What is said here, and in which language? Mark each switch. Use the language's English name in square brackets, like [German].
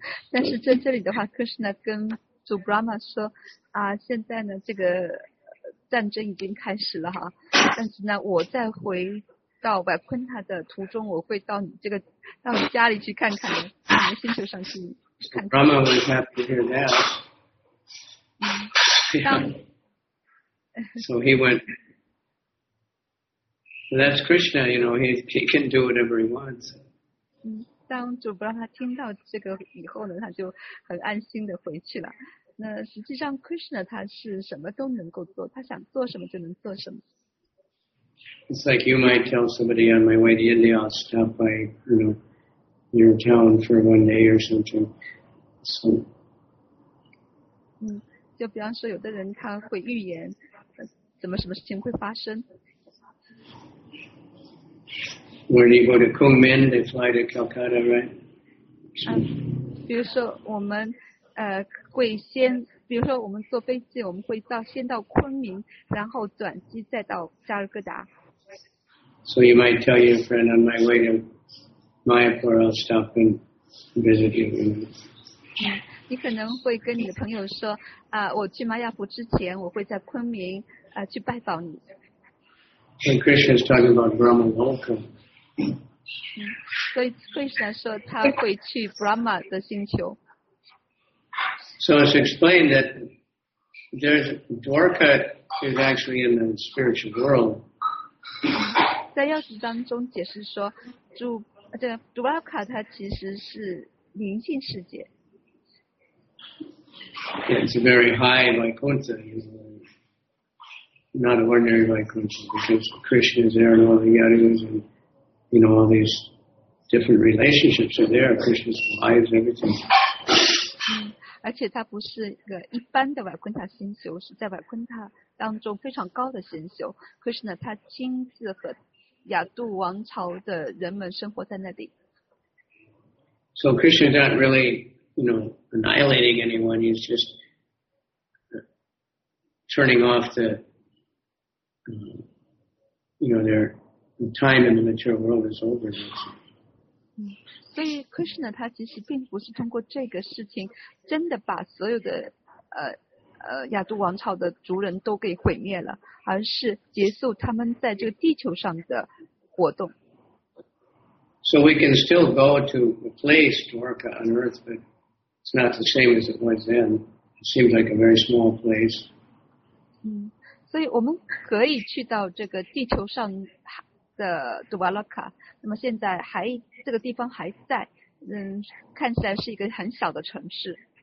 [Chinese] 但是在这里的话 Krishna 跟主 Brahma 说现在呢这个战争已经开始了哈但是呢我在回到 Vaikuntha 的途中我会到你这个到你家里去看看你的星球上去看看。 [English] So、Brahma was happy to hear that. So he went... That's Krishna, you know, he can do whatever he wants. [Chinese] 当主不让他听到这个以后呢，他就很安心的回去了。那实际上 Krishna 他是什么都能够做，他想做什么就能做什么。 [English] It's like you might tell somebody on my way to India, I'll stop by, you know, your town for one day or something. So [Chinese] 就比方说有的人他会预言怎么什么事情会发生。 [English] When you go to Kunming, they fly to Calcutta, right? [Chinese] 比如说我们会先，比如说我们坐飞机，我们会先到昆明，然后转机再到加尔各答。 [English] So you might tell your friend on my way to Mayapur, I'll stop and visit you. [Chinese] 你可能会跟你的朋友说，我去玛雅普之前，我会在昆明去拜访你。 [English] And Krishna is talking about Brahma Loka. [Chinese] 所以Krishna说他会去 Brahma 的星球。 [English] So it's explained that there's Dwarka is actually in the spiritual world. [Chinese] 在钥匙当中解释说，Dwarka 它其实是灵性世界。 [English] Yeah, it's a very high Vaikuntha, not an ordinary Vaikuntha, because Krishna is there and all the yadus and you know all these different relationships are there. Krishna's wives, everything. [Chinese] 而且它不是一个一般的瓦昆塔星球，是在瓦昆塔当中非常高的星球。可是呢，他亲自和亚杜王朝的人们生活在那里。 [English] So Krishna is not really, you know, annihilating anyone. He's just turning off the, you know, their time in the material world is over. [Chinese] 所以 Krishna 他其实并不是通过这个事情真的把所有的亚杜王朝的族人都给毁灭了，而是结束他们在这个地球上的活动。 [English] So we can still go to a place Dwarka on Earth, but it's not the same as it was then. It seems like a very small place. [Chinese] 所以我们可以去到这个地球上的 Dwarka， 那么现在还这个地方还在，看起来是一个很小的城市。